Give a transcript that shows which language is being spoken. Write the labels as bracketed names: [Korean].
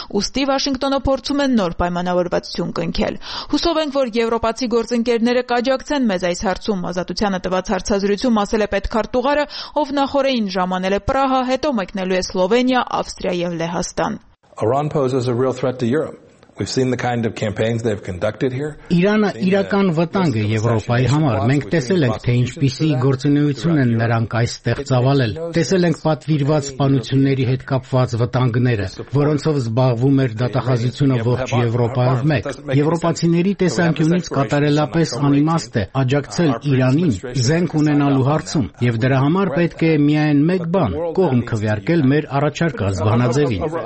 [Armenian] Ուստի Վաշինգտոնը փորձում է նոր պայմանավորվածություն կնքել։ Հուսով ենք, որ եվրոպացի գործընկերները աջակցեն մեզ այս հարցում, ազատությանը տված հարցազրույցում ասել է պետքարտուղարը, ով նախորդին ժամանել է Պրահա, հետո մեկնելու է Սլովենիա, Ավստրիա եւ Լեհաստան։ [English] Iran poses a real threat to Europe. We've seen the kind of campaigns they've conducted here. [Armenian] Իրանը իրական վտանգ է Եվրոպայի համար։ Մենք տեսել ենք, թե ինչպիսի գործունեություն են նրանք այստեղ ծավալել։ Տեսել ենք պատվիրված սպանությունների հետ կապված վտանգները, որոնցով զբաղվում էր դատախազությունը ողջ Եվրոպայով մեկ։ Եվրոպացիների տեսանկյունից կատարելապես անիմաստ է աջակցել Իրանին զենք ունենալու հարցում, և դրա համար պետք է միայն մեկ բան՝ կողմ քվեարկել մեր առաջարկը զբաղնաձևին։